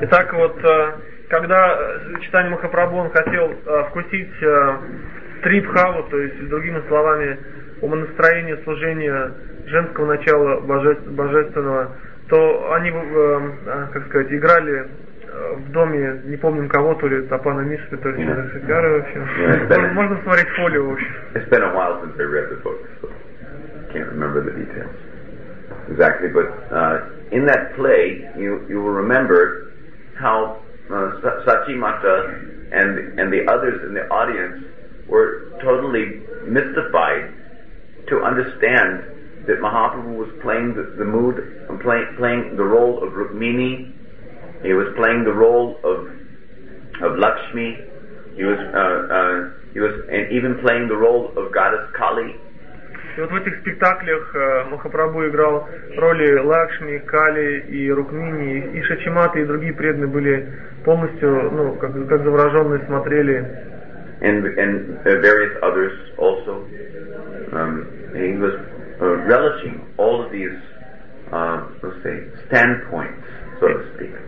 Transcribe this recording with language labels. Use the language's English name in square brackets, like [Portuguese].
[Russian] Итак, вот, когда Чайтанья Махапрабху он хотел вкусить трибхаву, то есть, другими словами, умонастроение, служение женского начала божественного, то они, как сказать, играли в доме, не помним кого, то ли Тапана Мишри, то ли Чандрасекхара, в общем. Можно смотреть фолио, в общем. [English] It's been a while since I read the book, so I can't remember the details. Exactly, but in that play, you will remember how Sachi Mata and the others in the audience were totally mystified to understand that Mahaprabhu was playing the mood, playing the role of Rukmini, he was playing the role of Lakshmi, and even playing the role of Goddess Kali. [Russian] И вот в этих спектаклях Махапрабху играл роли Лакшми, Кали и Рукмини, и Шачиматы, и другие преданные были полностью, ну, как завороженные смотрели. [English] And various others also. He was relishing all of these, let's say, standpoints, so to speak.